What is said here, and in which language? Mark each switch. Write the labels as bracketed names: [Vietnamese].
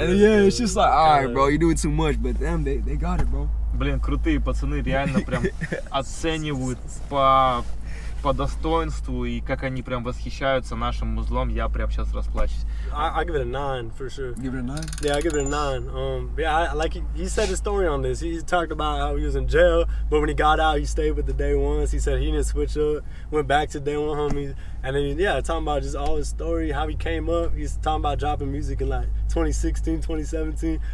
[English] And yeah, it's just like, all right, bro, you're doing too much. But damn, they got it, bro. [Russian] Блин, крутые пацаны реально прям оценивают по достоинству и как они прям восхищаются нашим узлом. Я прям сейчас расплачусь. [English] I give it a 9 for sure. Give it a 9? Yeah, I give it a 9. He said his story on this. He talked about how he was in jail, but when he got out, he stayed with the day ones. He said he didn't switch up, went back to day one homies. And then, talking about just all his story, how he came up. He's talking about dropping music in, like, 2016, 2017.